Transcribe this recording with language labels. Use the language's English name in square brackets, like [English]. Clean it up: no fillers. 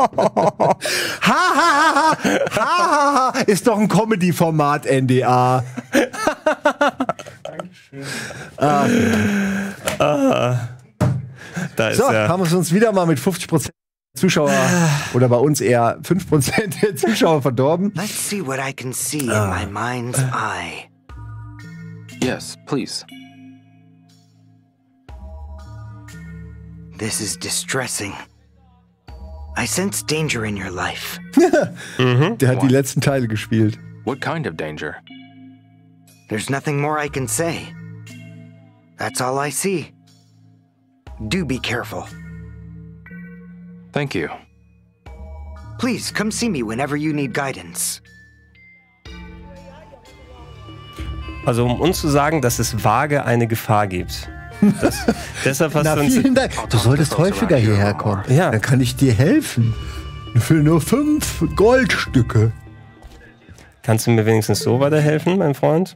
[German] Ha, ha, ha, ha, ha, ha, ha, ist doch ein Comedy-Format, NDA. Dankeschön. Ah. Da ist so, haben wir uns wieder mal mit 50% der Zuschauer oder bei uns eher 5% der Zuschauer verdorben. [English] Let's see what I can see in my mind's eye. Yes, please. This is distressing. I sense danger in your life. [German] Der hat die letzten Teile gespielt. [English] What kind of danger? There's nothing more I can say. That's all I see. Do be careful. Thank you. Please come see me whenever you need guidance. [German] Also um uns zu sagen, dass es vage eine Gefahr gibt. Deshalb hast du vielen Dank. Du solltest häufiger hierher kommen. Ja. Dann kann ich dir helfen. Für nur 5 Goldstücke. Kannst du mir wenigstens so weiterhelfen, mein Freund?